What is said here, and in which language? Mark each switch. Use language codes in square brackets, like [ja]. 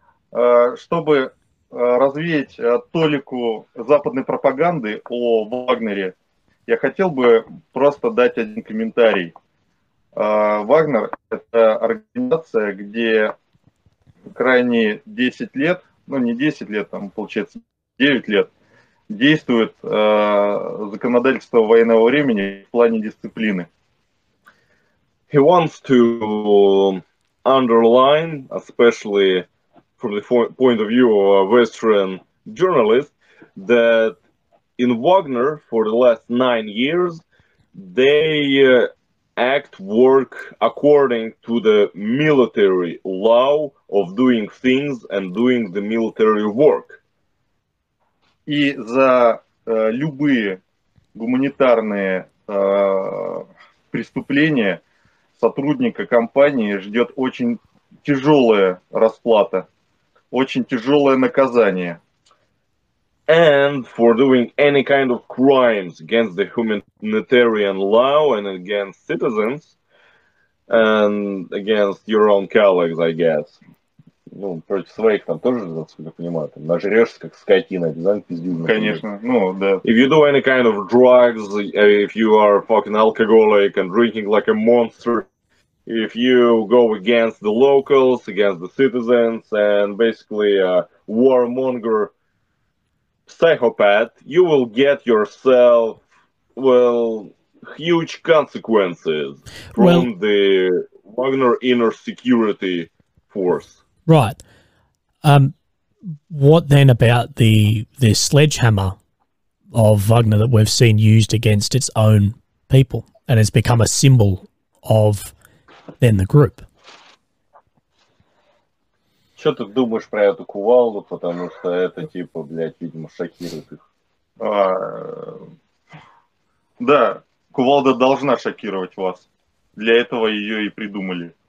[ru] Чтобы развеять толику западной пропаганды о Вагнере, я хотел бы просто дать один комментарий. Вагнер – это организация, где крайне 10 лет, ну не 10 лет, там получается 9 лет, действует законодательство военного времени в плане дисциплины. [en] He wants to underline, especially from the point of view of a Western journalist, that in Wagner for the last 9 years, they work according to the military law of doing things and doing the military work. [ru] И за любые гуманитарные преступления сотрудника компании ждет очень тяжелая расплата, очень тяжелое наказание. [en] And for doing any kind of crimes against the humanitarian law and against citizens and against your own colleagues, I guess. [ru] Ну, против своих там тоже, насколько я понимаю, там нажрешься как скотина, да, пиздюк. Конечно, ну, да. [en] If you do any kind of drugs, if you are fucking alcoholic and drinking like a monster, if you go against the locals, against the citizens, and basically a warmonger psychopath, you will get yourself, well, huge consequences from the Wagner inner security force. Right. What then about the sledgehammer of Wagner that we've seen used against its own people and has become a symbol of then the group? [ru] Что ты думаешь про эту кувалду, потому что это типа, блядь, видимо, шокирует их. Да, кувалда должна шокировать вас. Для этого ее и придумали.